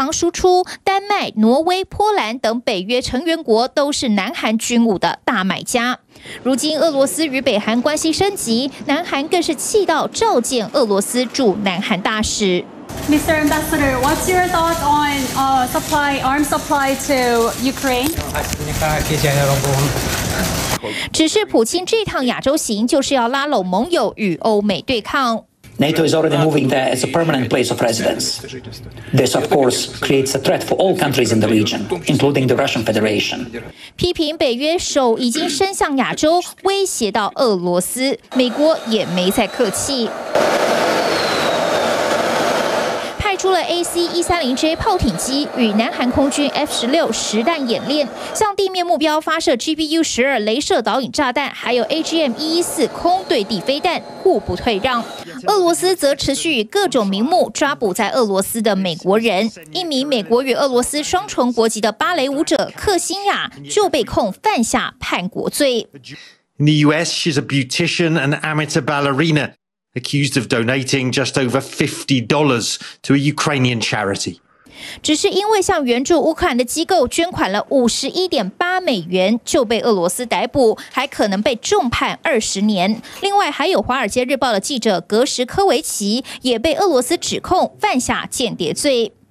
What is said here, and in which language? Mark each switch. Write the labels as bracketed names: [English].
[Chinese] 防输出，丹麦、挪威、波兰等北约成员国都是南韩军武的大买家。如今俄罗斯与北韩关系升级，南韩更是气到召见俄罗斯驻南韩大使。 [English] Mr. Ambassador, what's your thought on arms supply to Ukraine? [Chinese] 只是普京这趟亚洲行就是要拉拢盟友与欧美对抗。 [English] NATO is already moving there as a permanent place of residence. This, of course, creates a threat for all countries in the region, including the Russian Federation. [Chinese] 批评北约手已经伸向亚洲，威胁到俄罗斯，美国也没再客气。出了 AC-130J 炮艇机与南韩空军 F-16 实弹演练，向地面目标发射 GBU-12 雷射导引炸弹，还有 AGM-114 空对地飞弹，互不退让。俄罗斯则持续以各种名目抓捕在俄罗斯的美国人，一名美国与俄罗斯双重国籍的芭蕾舞者克辛雅就被控犯下叛国罪。 [English] In the US, she's a beautician and amateur ballerina. Accused of donating just over $50 to a Ukrainian charity. [Chinese] 只是因为向援助乌克兰的机构捐款了$51.8，就被俄罗斯逮捕，还可能被重判20年。另外，还有《华尔街日报》的记者格什科维奇也被俄罗斯指控犯下间谍罪。